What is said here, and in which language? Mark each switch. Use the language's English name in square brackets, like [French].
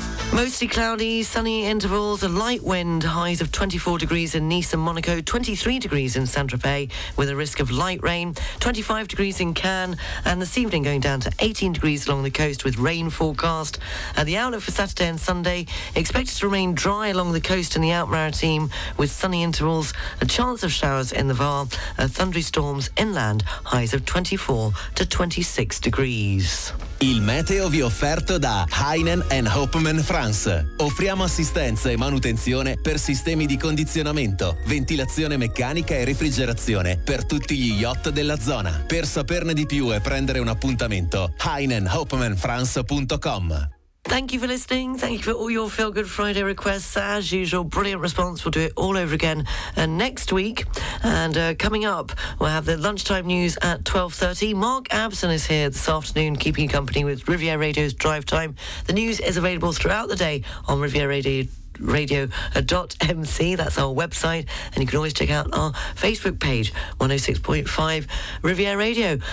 [English] Mostly cloudy, sunny intervals, a light wind, highs of 24 degrees in Nice and Monaco, 23 degrees in Saint-Tropez with a risk of light rain, 25 degrees in Cannes, and this evening going down to 18 degrees along the coast with rain forecast. The outlook for Saturday and Sunday, expected to remain dry along the coast and the Outre-Maritime with sunny intervals, a chance of showers in the Var, thundery storms inland, highs of 24 to 26 degrees. [Italian] Il meteo vi offerto da Heinen & Hopman France. Offriamo assistenza e manutenzione per sistemi di condizionamento, ventilazione meccanica e refrigerazione per tutti gli yacht della zona. Per saperne di più e prendere un appuntamento, heinenhopmanfrance.com. [English] Thank you for listening. Thank you for all your Feel Good Friday requests. As usual, brilliant response. We'll do it all over again next week. And coming up, we'll have the lunchtime news at 12:30. Mark Abson is here this afternoon, keeping you company with Riviera Radio's Drive Time. The news is available throughout the day on Riviera Radio. Radio.mc, that's our website, and you can always check out our Facebook page, 106.5 Riviera Radio.